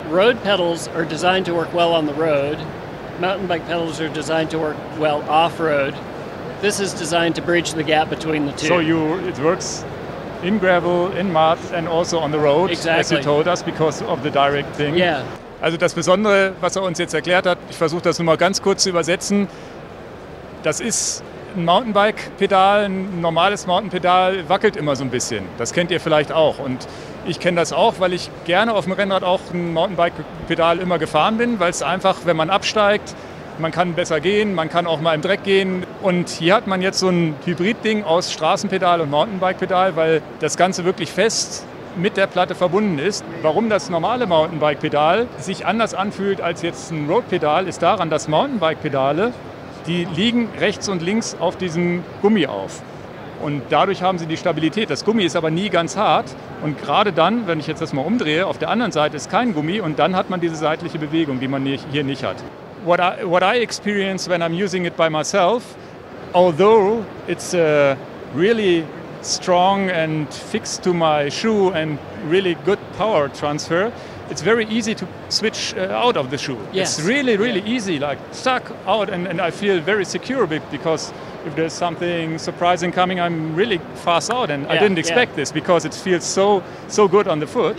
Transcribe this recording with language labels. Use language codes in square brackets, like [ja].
[en] Road pedals are designed to work well on the road. Mountain bike pedals are designed to work well off-road. This is designed to bridge the gap between the two. So you, it works in gravel, in mud, and also on the road, exactly, as you told us, because of the direct thing. Yeah. [de] Also das Besondere, was er uns jetzt erklärt hat, ich versuche das nur mal ganz kurz zu übersetzen, das ist ein Mountainbike-Pedal, ein normales Mountainpedal wackelt immer so ein bisschen. Das kennt ihr vielleicht auch. Und ich kenne das auch, weil ich gerne auf dem Rennrad auch ein Mountainbike-Pedal immer gefahren bin, weil es einfach, wenn man absteigt, man kann besser gehen, man kann auch mal im Dreck gehen. Und hier hat man jetzt so ein Hybrid-Ding aus Straßenpedal und Mountainbike-Pedal, weil das Ganze wirklich fest mit der Platte verbunden ist. Warum das normale Mountainbike-Pedal sich anders anfühlt als jetzt ein Road-Pedal, ist daran, dass Mountainbike-Pedale, die liegen rechts und links auf diesem Gummi auf. Und dadurch haben sie die Stabilität. Das Gummi ist aber nie ganz hart. Und gerade dann, wenn ich jetzt das mal umdrehe, auf der anderen Seite ist kein Gummi und dann hat man diese seitliche Bewegung, die man hier nicht hat. [en] What I experience when I'm using it by myself, although it's really strong and fixed to my shoe and really good power transfer, it's very easy to switch out of the shoe. Yes. It's really, really easy, like stuck out, and I feel very secure because if there's something surprising coming, I'm really fast out, and I didn't expect this because it feels so, so good on the foot.